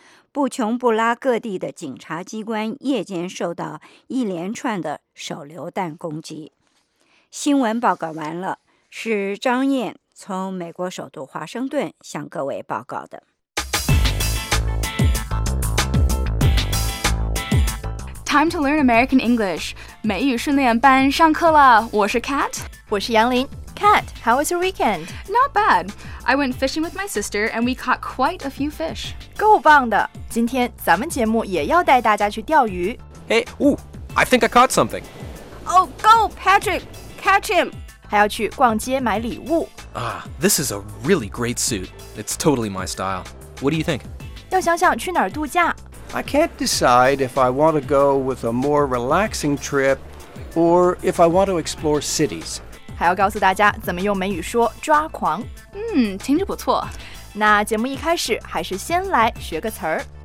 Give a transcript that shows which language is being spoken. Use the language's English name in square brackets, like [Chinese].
[Chinese] 布琼布拉各地的警察机关夜间受到一连串的手榴弹攻击。新闻报告完了，是张燕从美国首都华盛顿向各位报告的。 [English] time to learn American English. [Chinese] 美语训练班上课了。我是 Kat，我是杨林。 [English] Kat, how was your weekend? Not bad. I went fishing with my sister and we caught quite a few fish. [Chinese] 够棒的。今天咱们节目也要带大家去钓鱼。 [English] Hey, ooh, I think I caught something. Oh, go, Patrick, catch him. [Chinese] 还要去逛街买礼物。 [English] Ah, this is a really great suit. It's totally my style. What do you think? [Chinese] 要想想去哪儿度假。 [English] I can't decide if I want to go with a more relaxing trip or if I want to explore cities. [Chinese] 还要告诉大家怎么用美语说抓狂。嗯，听着不错。那节目一开始还是先来学个词儿。